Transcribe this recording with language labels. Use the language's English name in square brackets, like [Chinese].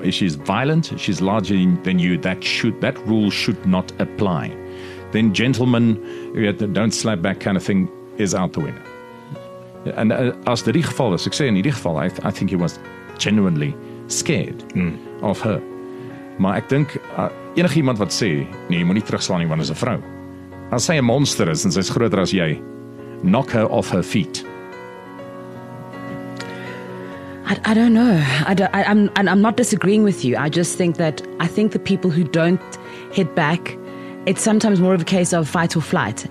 [English] If she's violent, she's larger than you, that rule should not apply. Then gentlemen, don't slap back kind of thing is out the window. And as the geval was, [Afrikaans] ek sê in hierdie geval, [English] I think he was genuinely scared of her. [Afrikaans] Maar ek dink enige iemand wat sê, nee, jy moet nie terugslaan nie want is 'n vrou. As sy 'n monster is en sy's groter as jy, [English] knock her off her feet. I don't know. I'm not disagreeing with you. I think the people who don't hit back, it's sometimes more of a case of fight or flight.